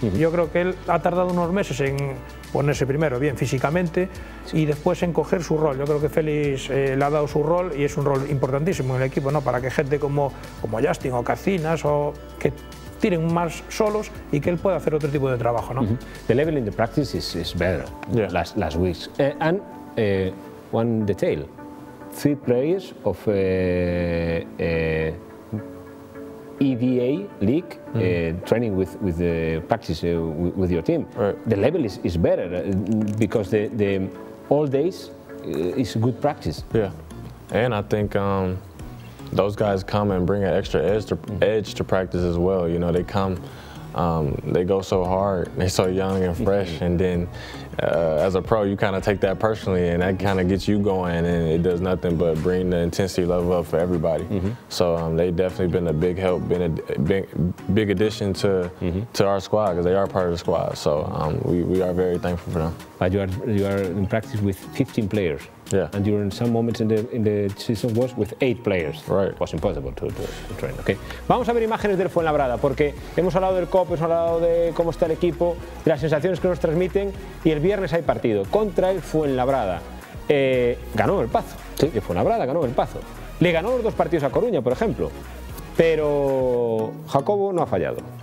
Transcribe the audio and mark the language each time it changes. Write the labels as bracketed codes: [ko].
[es] Yo creo que él ha tardado unos meses en ponerse primero bien físicamente y después en coger su rol. Yo creo que Félix le ha dado su rol y es un rol importantísimo en el equipo, ¿no? Para que gente como Justin o Cacinas o que tienen más solos y que él pueda hacer otro tipo de trabajo, ¿no? [en] The level in the practice is better last weeks. And one detail, 3 players of EVA league training with the practice with your team. Right. The level is better because the all days is good practice. Yeah, and I think those guys come and bring an extra edge to practice as well. You know, they come, they go so hard, they're so young and fresh, and then as a pro, you kind of take that personally, and that kind of gets you going, and it does nothing but bring the intensity level up for everybody. So they've definitely been a big help, been a big addition to our squad, because they are part of the squad. So we are very thankful for them. But you are in practice with 15 players. Yeah. And you're in some moments in the season was with 8 players. Right. It was impossible to train. Okay. [es] Vamos a ver imágenes del Fuenlabrada, porque hemos hablado del COP, hemos hablado de cómo está el equipo, de las sensaciones que nos transmiten, y el viernes hay partido contra el Fuenlabrada. Ganó el Pazo. Sí. El Fuenlabrada ganó el Pazo. Le ganó los dos partidos a Coruña, por ejemplo. Pero Jacobo no ha fallado.